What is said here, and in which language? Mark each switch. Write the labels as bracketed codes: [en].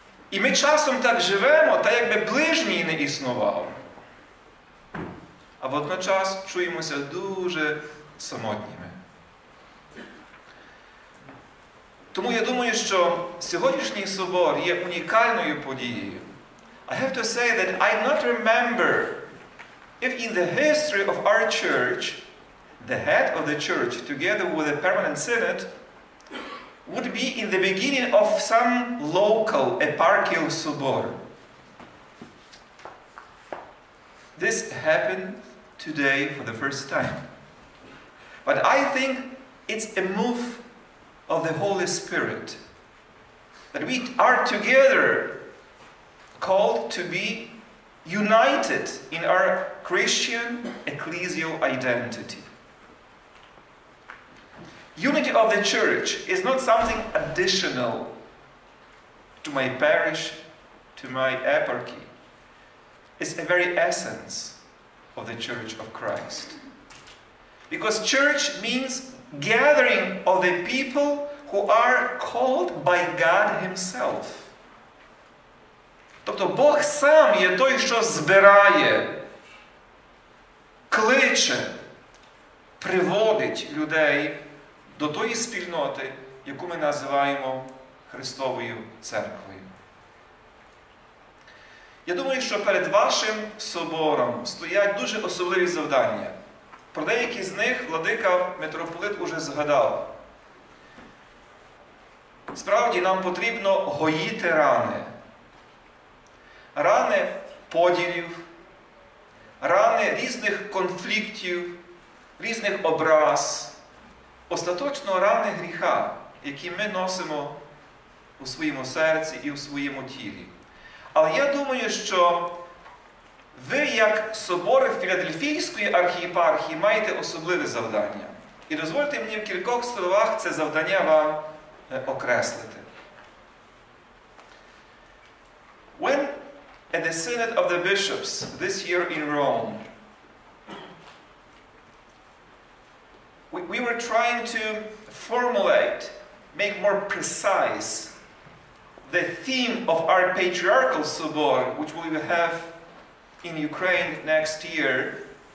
[uk] І ми часом так живемо, та якби ближній не існував. А водночас чуємося дуже самотніми. Тому я думаю, що сьогоднішній собор є унікальною подією. [en] I have to say that I not remember if in the history of our church, the head of the church, together with the permanent synod, would be in the beginning of some local eparchial sobor. This happened today for the first time. But I think it's a move of the Holy Spirit that we are together called to be united in our Christian ecclesial identity. Unity of the church is not something additional to my parish, to my eparchy. It's the very essence of the Church of Christ. Because church means gathering of the people who are called by God Himself. [uk] Тобто Бог сам є той, що збирає, кличе, приводить людей до тої спільноти, яку ми називаємо Христовою Церквою. Я думаю, що перед вашим собором стоять дуже особливі завдання. Про деякі з них владика митрополит уже згадав. Справді, нам потрібно гоїти рани. Рани поділів, рани різних конфліктів, різних образ, остаточно рани гріха, які ми носимо у своєму серці і у своєму тілі. Але я думаю, що ви, як собори Філадельфійської архієпархії, маєте особливе завдання. І дозвольте мені в кількох словах це завдання вам окреслити. [en] When at the Synod of the Bishops this year in Rome, we were trying to formulate, make more precise, the theme of our patriarchal sobor, which we will have in Ukraine next year.